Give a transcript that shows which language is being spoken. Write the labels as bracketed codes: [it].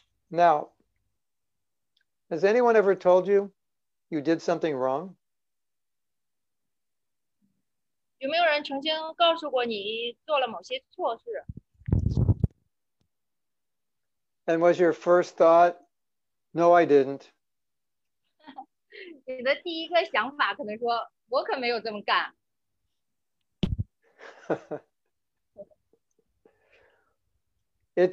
[en] Now, has anyone ever told you you did something wrong? [zh] 有没有人曾经告诉过你做了某些错事？ [en] And was your first thought, "No, I didn't"? [zh] 你的第一个想法可能说，我可没有这么干。 [en] It